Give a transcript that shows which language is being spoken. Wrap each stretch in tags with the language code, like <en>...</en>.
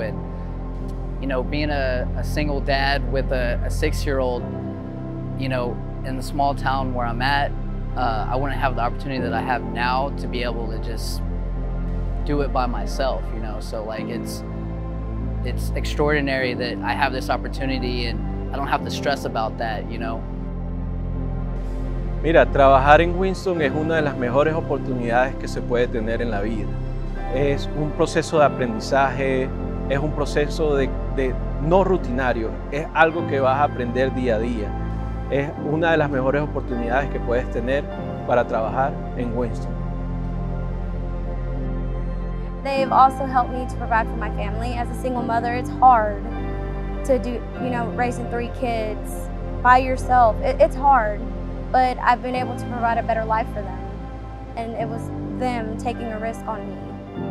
<en>And, you know, being a single dad with a six-year-old, you know, in the small town where I'm at, I wouldn't have the opportunity that I have now to be able to just do it by myself, you know? So like it's extraordinary that I have this opportunity and I don't have to stress about that, you know.</en> <es>Mira, trabajar en Whinstone es una de las mejores oportunidades que se puede tener en la vida. Es un proceso de aprendizaje, es un proceso de no rutinario, es algo que vas a aprender día a día. Es una de las mejores oportunidades que puedes tener para trabajar en Whinstone.</es> <en>They've also helped me to provide for my family. As a single mother, it's hard to do, you know, raising three kids by yourself. It's hard, but I've been able to provide a better life for them. And it was them taking a risk on me.</en>